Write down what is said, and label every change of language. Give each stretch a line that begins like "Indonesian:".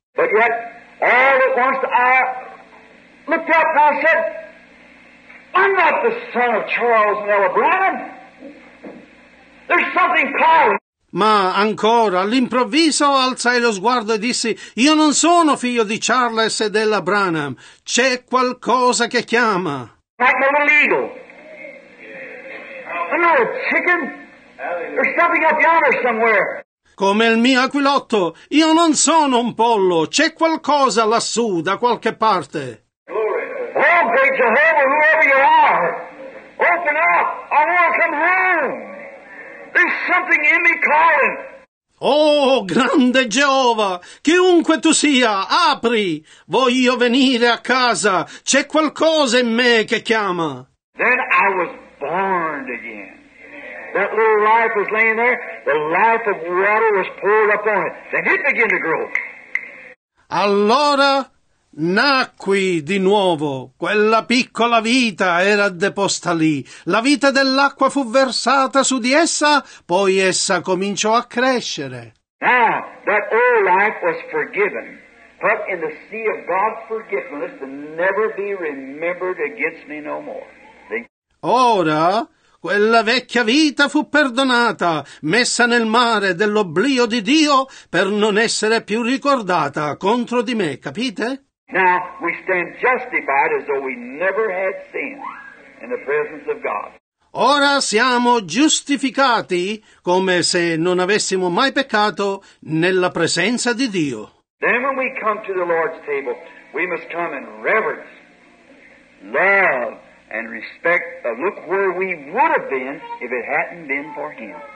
English: But yet, all at once, I looked up and I said, I'm not the son of Charles and Ella Branham. There's something calling.
Italian: Ma ancora, all'improvviso, alzai lo sguardo e dissi, io non sono figlio di Charles e della Branham, c'è qualcosa che chiama.
English: Like a little eagle. Another chicken. There's something up yonder somewhere.
Italian: Come il mio aquilotto, io non sono un pollo, c'è qualcosa lassù, da qualche parte.
English: Glory. Oh, great Jehovah, whoever you are, open up, I want to come home. There's something in me calling.
Italian: Oh, grande Geova, chiunque tu sia, apri. Voglio venire a casa. C'è qualcosa in me che chiama.
English: Then I was born again. That little life was laying there. The life of water was poured up on it. Then it began to grow.
Italian: Allora nacqui di nuovo, quella piccola vita era deposta lì, la vita dell'acqua fu versata su di essa, poi essa cominciò a crescere.
English: Now, that old life was forgiven, put in the sea of God's forgiveness to never be remembered against me no more. See?
Italian: Ora, quella vecchia vita fu perdonata, messa nel mare dell'oblio di Dio per non essere più ricordata contro di me, capite?
English: Now we stand justified as though we never had sinned in the presence of God.
Italian: Ora siamo giustificati come se non avessimo mai peccato nella presenza di Dio.
English: Then when we come to the Lord's table, we must come in reverence, love, and respect of look where we would have been if it hadn't been for him.